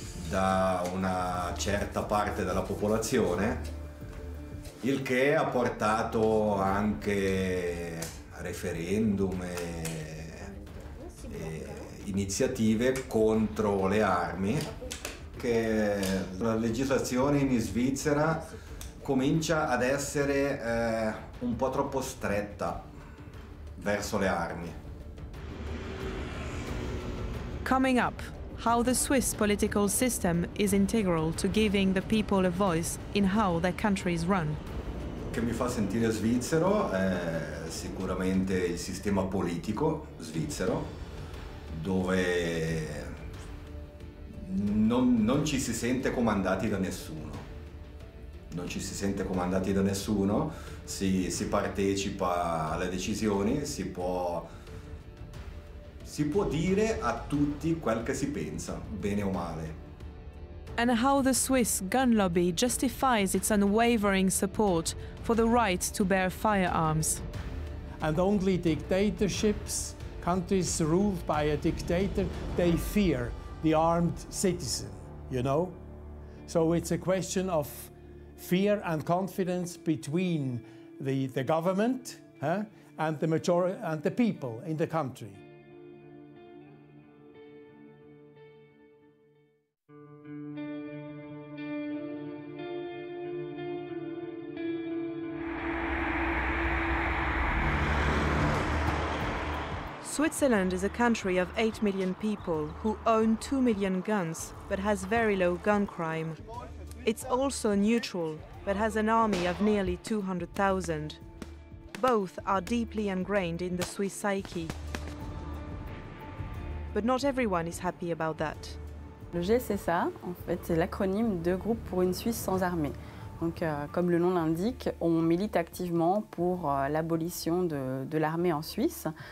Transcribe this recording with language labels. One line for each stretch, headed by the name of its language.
Italian: da una certa parte della popolazione, il che ha portato anche referendum e iniziative contro le armi, che la legislazione in Svizzera comincia ad essere un po' troppo stretta verso le armi.
English: Coming up, how the Swiss political system is integral to giving the people a voice in how their country is run.
Italian: Che mi fa sentire svizzero è sicuramente il sistema politico svizzero, dove non ci si sente comandati da nessuno. Non ci si sente comandati da nessuno, si partecipa alle decisioni, si può dire a tutti quel che si pensa, bene o male.
English: And how the Swiss gun lobby justifies its unwavering support for the right to bear firearms. And only dictatorships, countries ruled by a dictator, they fear the armed citizen, you know? So it's a question of fear and confidence between the government, huh, and the majority and the people in the country. Switzerland is a country of 8 million people who own 2 million guns but has very low gun crime. It's also neutral but has an army of nearly 200,000. Both are deeply ingrained in the Swiss psyche. But not everyone is happy about that.
French: Le GSSA, en fait, c'est l'acronyme de Groupe pour une Suisse sans armée. Donc, comme le nom l'indique, on milite activement pour l'abolition de l'armée en Suisse.